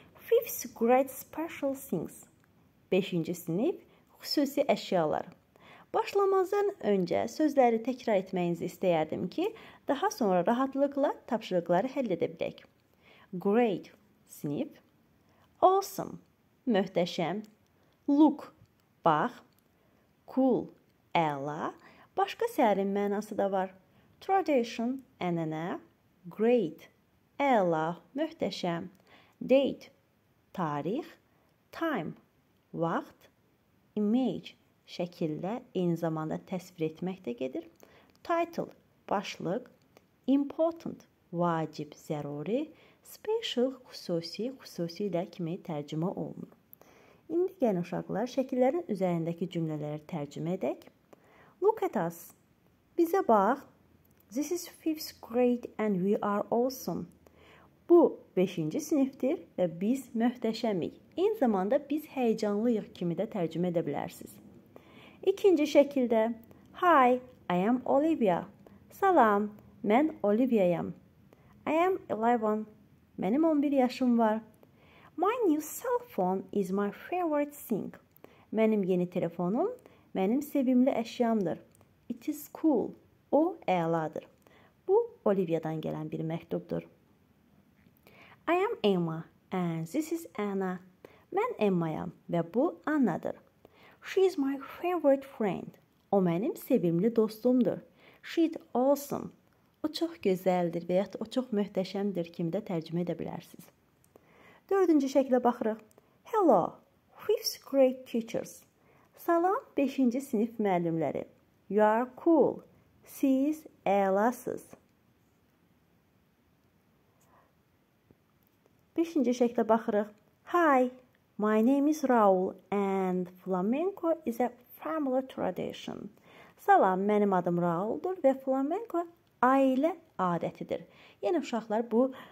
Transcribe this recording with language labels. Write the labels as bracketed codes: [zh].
[en] 5th grade special things. [az] 5. sınıf xüsusi əşyalar. Başlamazdan öncə sözləri təkrar etməyinizi istəyərdim ki, daha sonra rahatlıqla tapşırıqları həll edə bilək. Great sınıf. Awesome. Möhtəşəm, look, bax, cool, əla, başqa sərin mənası da var. Tradition, ənənə, great, əla, möhtəşəm, date, tarix, time, vaxt, image, şəkildə, eyni zamanda təsvir etmək də gedir. Title, başlıq, important, vacib, zəruri, special, xüsusi, xüsusi ilə kimi tərcümə olunur. İndi gəlin uşaqlar, şəkillərin üzərindəki cümlələri tərcümə edək. [en] Look at us. [az] Bizə bax. [en] This is 5th grade and we are awesome. [az] Bu 5-ci sinifdir və biz möhtəşəmik. Eyni zamanda biz həyəcanlıyıq kimi də tərcümə edə bilərsiniz. İkinci şəkildə. [en] Hi, I am Olivia. [az] Salam, mən Olivia'yam. [en] I am 11. [az] Mənim 11 yaşım var. [en] My new cell phone is my favorite thing. [az] Mənim yeni telefonum, mənim sevimli əşyamdır. [en] It is cool. [az] O, əladır. Bu, Olivia'dan gələn bir məktubdur. [en] I am Emma and this is Anna. [az] Mən Emma'yam və bu, Anna'dır. [en] She is my favorite friend. [az] O, mənim sevimli dostumdur. [en] She is awesome. [az] O, çox gözəldir və ya o, çox möhtəşəmdir kimi də tərcümə edə bilərsiniz. Dördüncü şəkilə baxırıq. [en] Hello, 5th grade teachers. [az] Salam, 5-ci sinif müəllimləri. [en] You are cool. [az] Siz əlasız. 5-ci şəkilə baxırıq. [en] Hi, my name is Raul and flamenco is a family tradition. [az] Salam, mənim adım Rauldur və flamenco ailə adətidir. Yəni, uşaqlar, bu...